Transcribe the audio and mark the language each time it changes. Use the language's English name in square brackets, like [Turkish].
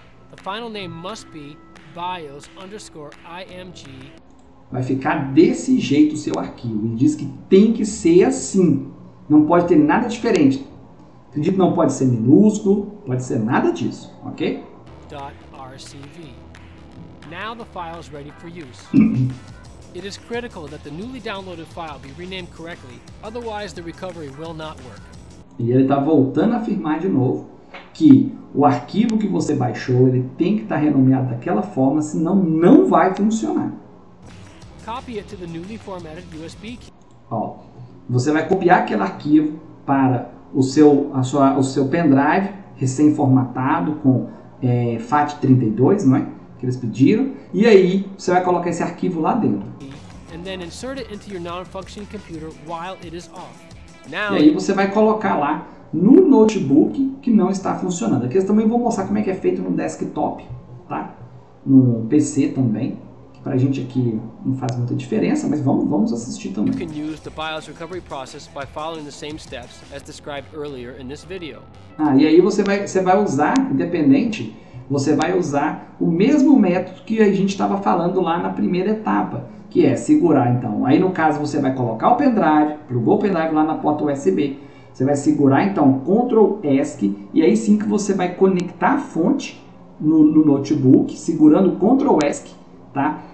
[English] The final name must be BIOS underscore IMG. [Portuguese] Vai ficar desse jeito o seu arquivo. Ele diz que tem que ser assim. Não pode ter nada diferente. Acredito que não pode ser minúsculo, pode ser nada disso, ok? [English] .rcv. Now the file is ready for use. It is critical that the newly downloaded file be renamed correctly, otherwise the recovery will not work. [Portuguese] E ele está voltando a afirmar de novo que o arquivo que você baixou, ele tem que estar renomeado daquela forma, senão não vai funcionar. [English] Copy it to the newly formatted USB key. [Portuguese] Ó, você vai copiar aquele arquivo para o seu, a sua, o seu pendrive recém-formatado com FAT32, não é? Que eles pediram. E aí, você vai colocar esse arquivo lá dentro. [English] And then insert it into your non-functioning computer while it is off. [Portuguese] Now, e aí, você vai colocar lá no notebook que não está funcionando. Aqui eu também vou mostrar como é que é feito no desktop, tá? No PC também. Pra gente aqui não faz muita diferença, mas vamos assistir também. [English] You can use the BIOS recovery process by following the same steps as described earlier in this video. [Portuguese] Ah, e aí você vai usar, independente, você vai usar o mesmo método que a gente estava falando lá na primeira etapa, que é segurar então. Aí no caso você vai colocar o pendrive, plugou o pendrive lá na porta USB. Você vai segurar então Ctrl Esc e aí sim que você vai conectar a fonte no notebook, segurando Ctrl Esc. Tá?